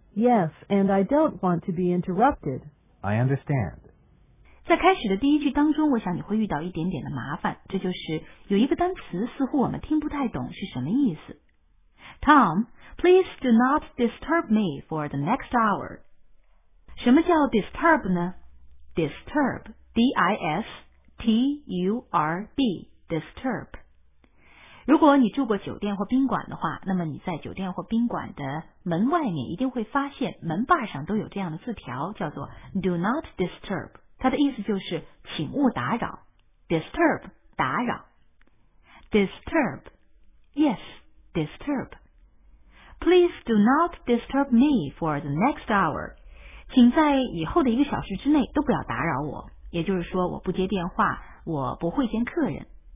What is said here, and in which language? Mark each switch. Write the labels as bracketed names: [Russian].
[English] Yes, and I don't want to be interrupted. I understand. [Chinese] 在开始的第一句当中，我想你会遇到一点点的麻烦，这就是有一个单词似乎我们听不太懂是什么意思。 [English] Tom, please do not disturb me for the next hour. [Chinese] 什么叫 disturb 呢？disturb, D-I-S-T-U-R-B, disturb。如果你住过酒店或宾馆的话，那么你在酒店或宾馆的门外面一定会发现门把上都有这样的字条，叫做 [English] do not disturb， [Chinese] 它的意思就是请勿打扰， disturb, 打扰。 [English] disturb, yes, disturb. Please do not disturb me for the next hour. [Chinese] 请在以后的一个小时之内都不要打扰我，也就是说我不接电话，我不会见客人。